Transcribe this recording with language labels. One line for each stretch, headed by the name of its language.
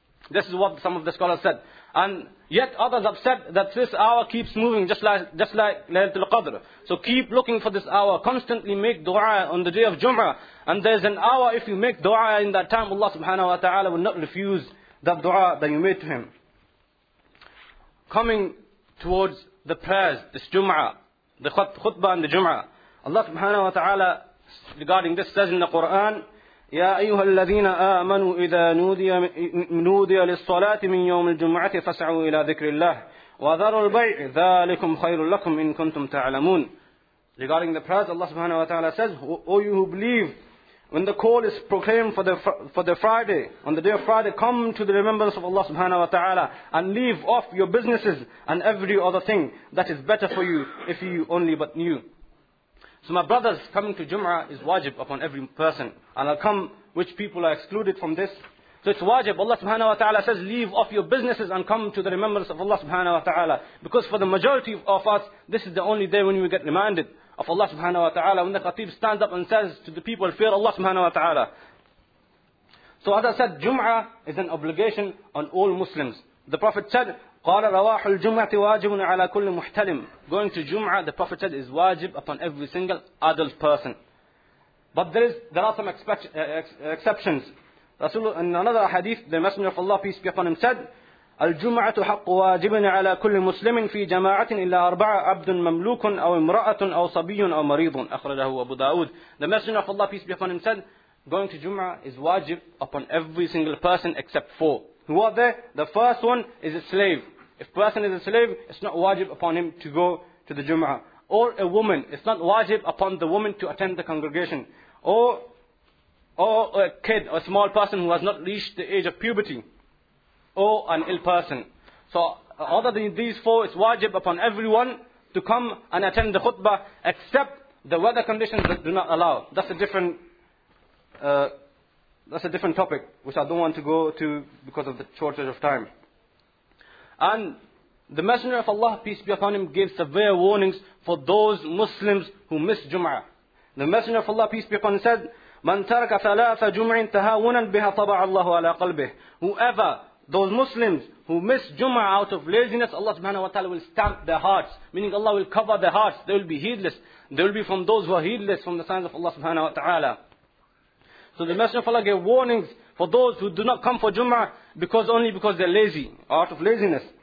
English: This is what some of the scholars said. And yet others have said that this hour keeps moving just like Laylatul Qadr. So keep looking for this hour. Constantly make dua on the day of Jum'ah. And there's an hour if you make dua in that time, Allah subhanahu wa ta'ala will not refuse that dua that you made to Him. Coming towards the prayers, this Jum'ah, the khutbah and the Jum'ah, Allah subhanahu wa ta'ala regarding this says in the Quran,
Arabic: يَا أَيُّهَا الَّذِينَ آمَنُوا إِذَا نُودِيَ لِلصَّلَاةِ مِنْ يَوْمِ الْجُمْعَةِ فَسَعُوا إِلَىٰ ذِكْرِ اللَّهِ وَذَرُوا الْبَيْعِ ذَلِكُمْ خَيْرٌ لَكُمْ إِن كُنْتُمْ تَعْلَمُونَ.
English: Regarding the prayers, Allah subhanahu wa ta'ala says, O you who believe, when the call is proclaimed for the Friday, on the day of Friday, come to the remembrance of Allah subhanahu wa ta'ala and leave off your businesses and every other thing that is better for you if you only but knew. So my brothers, coming to Jum'ah is wajib upon every person. And I'll come which people are excluded from this. So it's wajib. Allah subhanahu wa ta'ala says, leave off your businesses and come to the remembrance of Allah subhanahu wa ta'ala. Because for the majority of us, this is the only day when we get reminded of Allah subhanahu wa ta'ala. When the khatib stands up and says to the people, fear Allah subhanahu wa ta'ala. So as I said, Jum'ah is an obligation on all Muslims. The Prophet said,
Arabic: قَالَ رَوَاحُ الْجُمْعَةِ وَاجِبٌ عَلَى كُلِّ مُحْتَلِمٍ.
English: Going to Jum'ah, the Prophet said, is wajib upon every single adult person. But there are some exceptions. In another hadith, the Messenger of Allah, peace be upon him, said,
Arabic: الْجُمْعَةُ حَقُّ وَاجِبٍ عَلَى كُلِّ مُسْلِمٍ فِي جَمَاعَةٍ إِلَّا أَرْبَعَ عَبْدٌ مَمْلُوكٌ أَوْ إِمْرَأَةٌ أَوْ صَبِيٌّ أَوْ مَرِيضٌ. أَخْرَجَهُ أَبُو دَاوُدَ.
English: The Messenger of Allah, peace be upon him, said, going to Jum'ah is wajib upon every single person except four. Who are they? The first one is a slave. If a person is a slave, it's not wajib upon him to go to the Jum'ah. Or a woman. It's not wajib upon the woman to attend the congregation. Or a kid, a small person who has not reached the age of puberty. Or an ill person. So other than these four, it's wajib upon everyone to come and attend the khutbah, except the weather conditions that do not allow. That's a different topic, which I don't want to go to because of the shortage of time. And the Messenger of Allah, peace be upon him, gave severe warnings for those Muslims who miss Jum'ah. The Messenger of Allah, peace be upon him, said,
Arabic: مَنْ تَرَكَ ثَلَاثَ جُمْعٍ تَهَاوُنًا بِهَا طَبَعَ اللَّهُ عَلَىٰ قَلْبِهِ.
English: Whoever, those Muslims who miss Jum'ah out of laziness, Allah subhanahu wa ta'ala will stamp their hearts. Meaning Allah will cover their hearts. They will be heedless. They will be from those who are heedless from the signs of Allah subhanahu wa ta'ala. So the Messenger of Allah gave warnings for those who do not come for Jum'ah because they're lazy, out of laziness.